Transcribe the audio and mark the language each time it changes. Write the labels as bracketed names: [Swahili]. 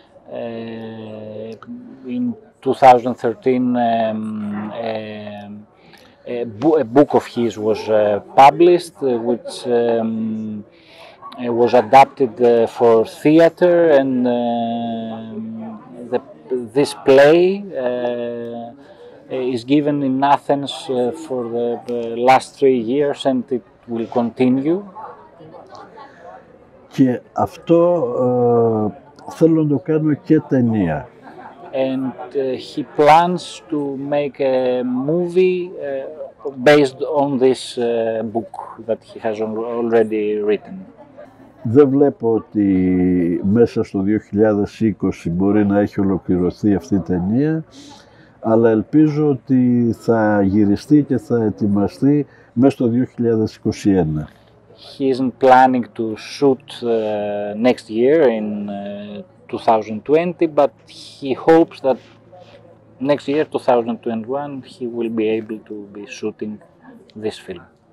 [English] In 2013, a book of his was published, which was adapted for theater, and this play is given in Athens for the last 3 years, and it will continue. [Greek] Και αυτό θέλω να το κάνω και ταινία. [English] And he plans to make a movie based on this book that he has already written. [Greek] Δεν βλέπω ότι μέσα στο 2020 μπορεί να έχει ολοκληρωθεί αυτή η ταινία, αλλά ελπίζω ότι θα γυριστεί και θα ετοιμαστεί μέσα στο 2021. [English] He isn't planning to shoot next year in 2020, but he hopes that next year, 2021, he will be able to be shooting this film.